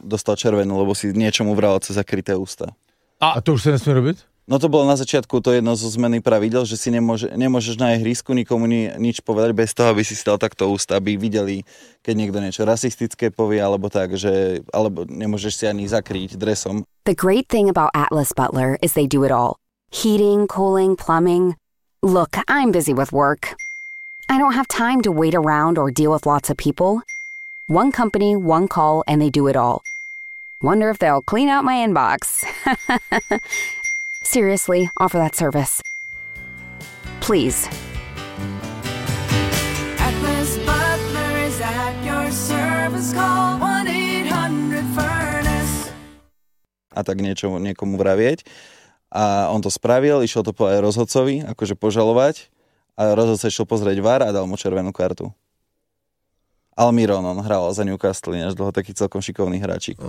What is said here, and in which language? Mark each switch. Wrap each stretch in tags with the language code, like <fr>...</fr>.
<sk>Dostal červenú, lebo si niečo mu vral cez zakryté ústa. A to už sa nesmie robiť? No to bolo na začiatku to jedno zo zmeny pravidel, že si nemôžeš na ihrisku nikomu nič povedať bez toho, aby si stal takto úst, aby videli, keď niekto niečo rasistické povie, alebo tak, že alebo nemôžeš si ani zakryť dresom.</sk> <en>The great thing about Atlas Butler is they do it all. Heating, cooling, plumbing. Look, I'm busy with work. I don't have time to wait around or deal with lots of people. One company, one call, and they do it all. Wonder if they'll clean out my inbox. Seriously, offer that service. Please. Atlas Butler is at your service. Call 1-800-FURNACE.</en> <sk>A tak niečo niekomu vravieť. A on to spravil, išiel to povedať rozhodcovi, akože požalovať. A rozhodca išiel pozrieť VAR a dal mu červenú kartu. Almiron, on hral za Newcastle, než dlho taký celkom šikovný hráčik.</sk>